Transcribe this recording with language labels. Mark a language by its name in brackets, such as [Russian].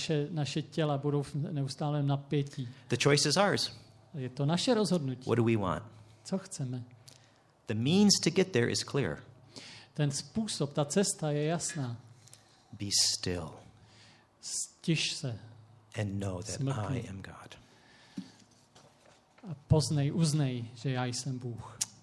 [Czech] Naše těla budou v neustálém napětí. [English] The choice is ours. [Czech] Je to naše rozhodnutí. [English] What do we want? [Czech] Co chceme? [English] The means to get there is clear. [Czech] Ten způsob, ta cesta je jasná. [English] Be still. [Czech] Stiš se. [English] And know that I am God. [Czech] A poznej, uznej, že já jsem Bůh.